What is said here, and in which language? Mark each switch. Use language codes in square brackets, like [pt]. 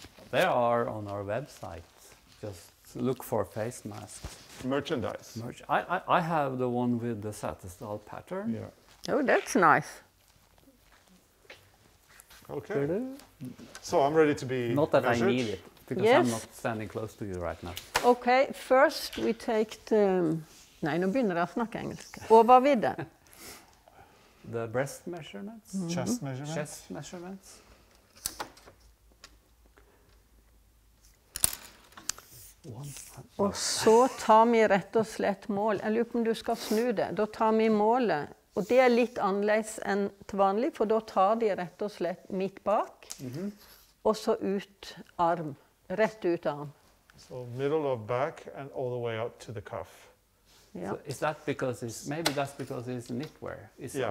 [en] They are on our website. Just look for face masks. Merchandise. I have the one with the Setesdal pattern. Yeah. Oh, that's nice. Okay. So I'm ready to be Not that measured. I need it, because yes. I'm not standing close to you right now. Okay, first we take the... [no] Nei, nå begynner jeg å snakke engelsk. Overvidde. [en] The breast measurements? Mm-hmm. Chest measurements. Chest measurements. [no] Og så tar vi rett og slett mål. Jeg lurer på om du skal snu det. Da tar vi målet. Og det er litt annerledes enn til vanlig, for da tar de rett og slett midt bak, mm-hmm. og så ut arm, rett ut arm. [en] So middle of back and all the way up to the cuff. Yeah. So is that because it's, maybe that's because it's knitwear, it's yeah.